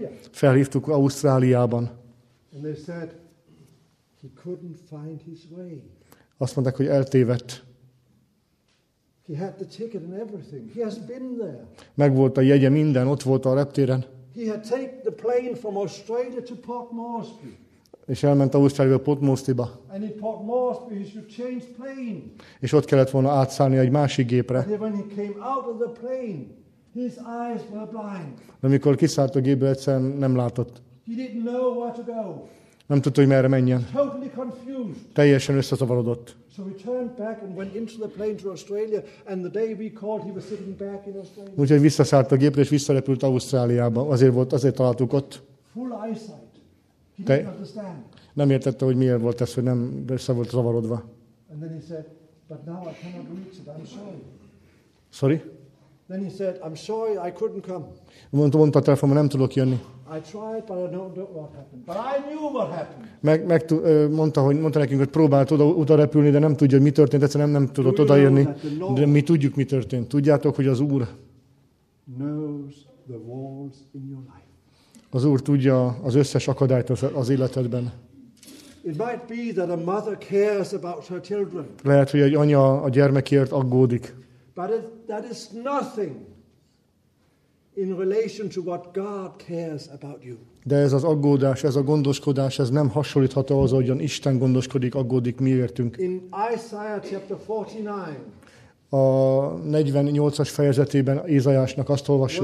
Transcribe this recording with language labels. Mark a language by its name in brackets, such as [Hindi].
[Hungarian] Felhívtuk Ausztráliában. [English] He couldn't find his way. [Hungarian] Azt mondták, hogy eltévedt. [English] He had the ticket and everything. He has been there. [Hungarian] Megvolt a jegye, minden, ott volt a reptéren. [English] He had taken the plane from Australia to Port Moresby. [Hungarian] És elment Ausztráliába, Port Moresbyba. [English] And in Port Moresby he should change plane. [Hungarian] És ott kellett volna átszállni egy másik gépre. [English] And when he came out of the plane, his eyes were blind. [Hungarian] De amikor kiszállt a gépből, egyszerűen nem látott. [English] He didn't know where to go. [Hungarian] Nem tudta, hogy merre menjen. [English] Totally confused. [Hungarian] Teljesen összezavarodott. [English] So he turned back and went into the plane to Australia, and the day we called, he was sitting back in Australia. [Hungarian] Úgyhogy visszaszállt a gépre, és visszarepült Ausztráliába. Azért találtuk ott. [English] Full eyesight. He didn't understand. [Hungarian] Nem értette, hogy miért volt ez, hogy nem össze volt zavarodva. [English] And then he said, "But now I cannot reach it. I'm sorry." Sorry? Then he said, "I'm sorry, I couldn't come." [Hungarian] Mondta a telefonban, nem tudok jönni. [English] I tried, but I don't know what happened. But I knew what happened. [Hungarian] Mondta nekünk, hogy próbált oda repülni, de nem tudja, hogy mi történt. Egyszerűen nem tudott oda jönni. De mi tudjuk, mi történt. Tudjátok, hogy az Úr [English] knows the walls in your life. [Hungarian] Az Úr tudja az összes akadályt az életedben. [English] It might be that a mother cares about her children. [Hungarian] Lehet, hogy egy anya a gyermekért aggódik. [English] But that is nothing in relation to what God cares about you. [Hungarian] De ez az aggódás, ez a gondoskodás, ez nem hasonlítható ahhoz, hogyan Isten gondoskodik, aggódik miértünk. [English] In Isaiah chapter 49. [Hungarian] A 48-as fejezetében Ézsaiásnak azt olvassuk.